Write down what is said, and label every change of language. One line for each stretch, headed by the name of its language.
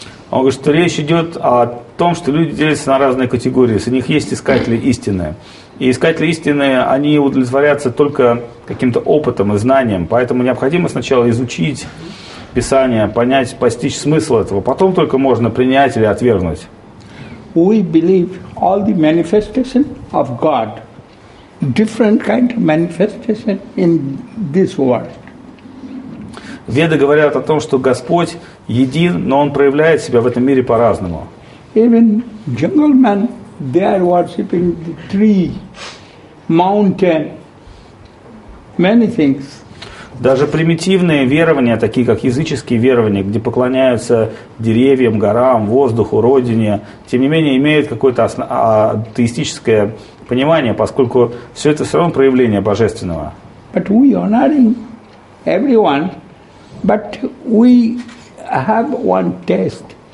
Russian: Он говорит, что речь идет о том, что люди делятся на разные категории. Среди них есть искатели истины. И искатели истины, они удовлетворятся только каким-то опытом и знанием. Поэтому необходимо сначала изучить Писание, понять, постичь смысл этого. Потом только можно принять или отвергнуть.
English: We believe all the manifestation of God, different kind of manifestation in this world.
Russian: Веды говорят о том, что Господь един, но Он проявляет себя в этом мире по-разному.
English: Even jungle men, they are worshiping the tree, mountain, many things.
Russian: Даже примитивные верования, такие как языческие верования, где поклоняются деревьям, горам, воздуху, родине, тем не менее имеют какое-то атеистическое понимание, поскольку все это все равно проявление божественного.
English: But we honoring everyone, but we have one test.